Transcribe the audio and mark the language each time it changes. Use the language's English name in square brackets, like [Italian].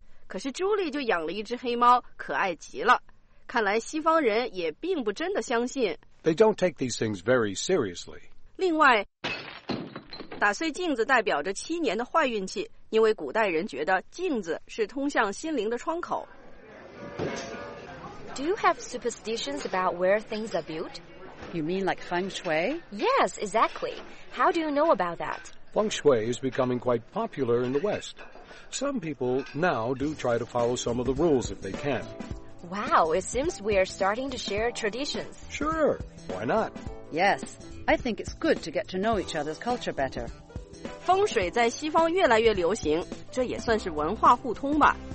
[Chinese] 可是朱莉就养了一只黑猫，可爱极了。看来西方人也并不真的相信。 [English] They don't take these things very seriously. [Chinese] 另外，打碎镜子代表着七年的坏运气。因为古代人觉得镜子是通向心灵的窗口。 [English] Do you have superstitions about where things are built? You mean like feng shui? Yes, exactly. How do you know about that? Feng shui is becoming quite popular in the West. Some people now do try to follow some of the rules if they can. Wow, it seems we are starting to share traditions. Sure, why not? Yes, I think it's good to get to know each other's culture better. [Chinese] 风水在西方越来越流行，这也算是文化互通吧。